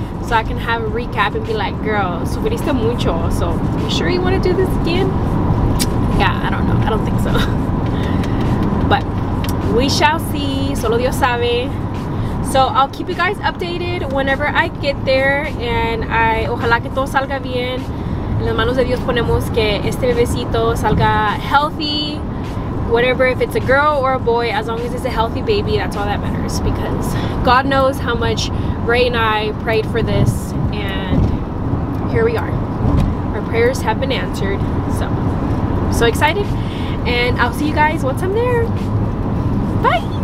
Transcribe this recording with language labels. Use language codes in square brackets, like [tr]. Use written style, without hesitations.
[en] So I can have a recap and be like, girl, [es] sufriste mucho. [en] So you sure you want to do this again? Yeah, I don't know. I don't think so. But we shall see. [es] Solo Dios sabe. [en] So I'll keep you guys updated whenever I get there. And I [es] ojalá que todo salga bien. En las manos de Dios ponemos que este bebecito salga healthy. [en] Whatever, if it's a girl or a boy, as long as it's a healthy baby, that's all that matters. Because God knows how much Ray and I prayed for this. And here we are. Our prayers have been answered. So so excited, and I'll see you guys once I'm there. Bye.